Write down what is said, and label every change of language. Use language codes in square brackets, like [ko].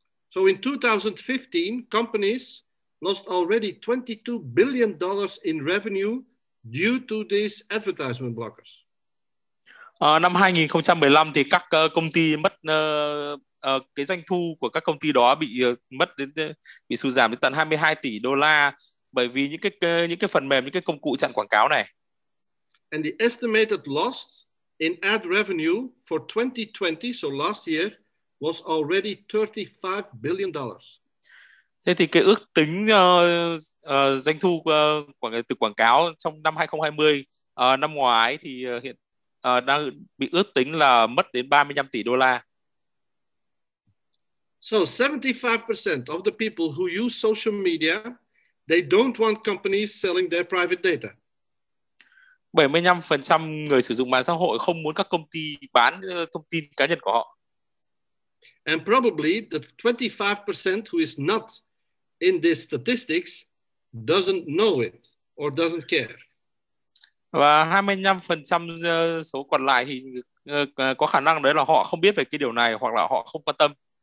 [en] So in 2015, companies lost already $22 billion in revenue due to these advertisement blockers. [vi] Năm 2015 thì các công ty mất cái doanh thu của các công ty đó bị mất đến bị sụt giảm đến tận 22 tỷ đô la bởi vì những cái phần mềm, những cái công cụ chặn quảng cáo này. [en] And the estimated loss in ad revenue for 2020, so last year, was already $35 billion. [vi] Thế thì cái ước tính doanh thu từ quảng cáo trong năm 2020, năm ngoái thì hiện đang bị ước tính là mất đến 35 tỷ đô la. [en] So 75% of the people who use social media, they don't want companies selling their private data. [vi] 75% người sử dụng mạng xã hội không muốn các công ty bán thông tin cá nhân của họ. [en] And probably the 25% who is not in this statistics doesn't know it or doesn't care. [vi] Và 25% số còn lại thì có khả năng đấy là họ không biết về cái điều này hoặc là họ không quan tâm.